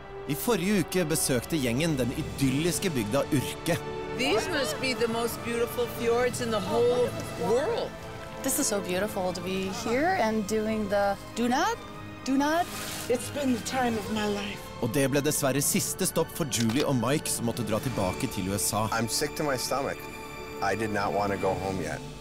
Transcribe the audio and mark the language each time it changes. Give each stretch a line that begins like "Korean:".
Norwegian: I forrige uke besøkte gjengen den idylliske bygda Urke.
English: These must be the most beautiful fjords in the whole world. This is so beautiful to be here and doing the do not. It's been the time of my life.
Norwegian: Og det ble dessverre siste stopp for Julie og Mike som måtte dra tilbake til USA.
English: I'm sick to my stomach. I did not want to go home yet.